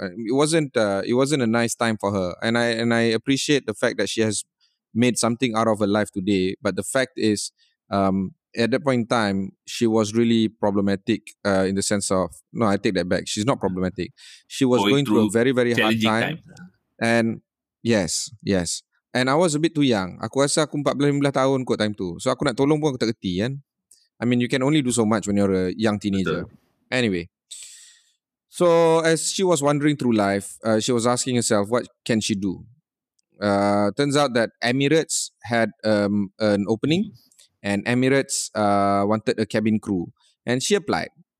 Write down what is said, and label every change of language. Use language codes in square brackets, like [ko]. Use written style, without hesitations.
[en] It wasn't a nice time for her. And I appreciate the fact that she has made something out of her life today. But the fact is, at that point in time, she was really problematic in the sense of, no, I take that back. She's not problematic. She was going through a very, very hard time. And yes. And I was a bit too young. [ms] Aku rasa aku 14-15 tahun kot time tu. [en] So [ms] aku nak tolong pun aku tak keti kan. [en] I mean, you can only do so much when you're a young teenager. [ms] Betul. [en] Anyway. So as she was wandering through life, she was asking herself, what can she do? Turns out that Emirates had an opening and Emirates wanted a cabin crew. And she applied.